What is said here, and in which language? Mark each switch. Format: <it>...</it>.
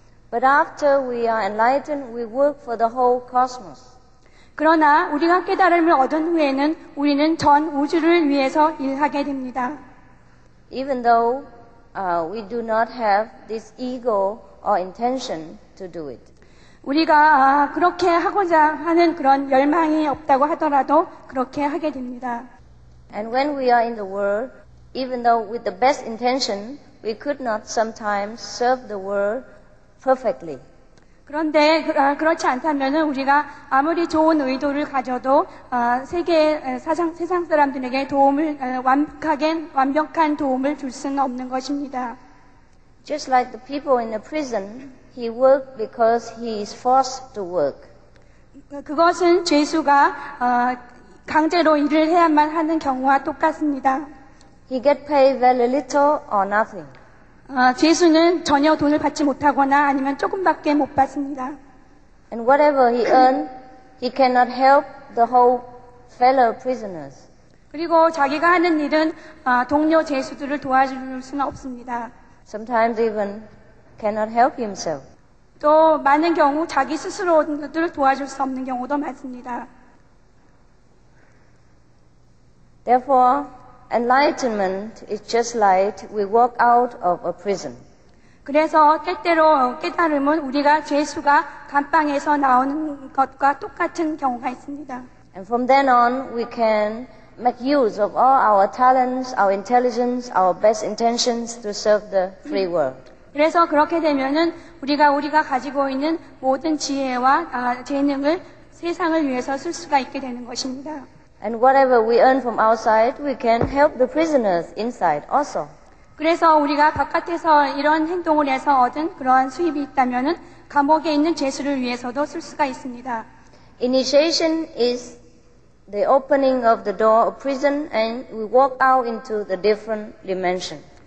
<en>But after we are enlightened, we work for the whole cosmos.</en> <ko>그러나 우리가 깨달음을 얻은 후에는 우리는 전 우주를 위해서 일하게 됩니다.</ko> <en>Even though we do not have this ego or intention to do it.</en> <ko>우리가 그렇게 하고자 하는 그런 열망이 없다고 하더라도 그렇게 하게 됩니다.</ko> <en>And when we are in the world, even though with the best intention, we could not sometimes serve the world perfectly.</en> <ko>그런데 그렇지 않다면은 우리가 아무리 좋은 의도를 가져도 세상 사람들에게 도움을 완벽한 도움을 줄 수는 없는 것입니다.</ko> <en>Just like the people in the prison, he worked because he is forced to work.</en> <ko>그것은 죄수가 강제로 일을 해야만 하는 경우와 똑같습니다.</ko> <en>He get paid very little or nothing.</en> <ko>죄수는 전혀 돈을 받지 못하거나 아니면 조금밖에 못 받습니다.</ko> <en>And whatever he earned, he cannot help the whole fellow prisoners.</en> <ko>그리고 자기가 하는 일은 동료 죄수들을 도와줄 수는 없습니다.</ko> <en>Sometimes even cannot help himself.</en> <ko>또 많은 경우 자기 스스로들을 도와줄 수 없는 경우도 많습니다.</ko> <en>Therefore, enlightenment is just like we walk out of a prison.</en> <ko>그래서 때때로 깨달음은 우리가 죄수가 감방에서 나오는 것과 똑같은 경우가 있습니다.</ko> <en>And from then on, we can make use of all our talents, our intelligence, our best intentions to serve the free world.</en> <ko>그래서 그렇게 되면은 우리가 가지고 있는 모든 지혜와 재능을 세상을 위해서 쓸 수가 있게 되는 것입니다.</ko> <en>And whatever we earn from outside, we can help the prisoners inside also.</en> <ko>그래서 우리가 바깥에서 이런 행동을 해서 얻은 그러한 수입이 있다면은 감옥에 있는 죄수를 위해서도 쓸 수가 있습니다.</ko> <en>Initiation is the opening of the door of prison and we walk out into the different dimension.</en>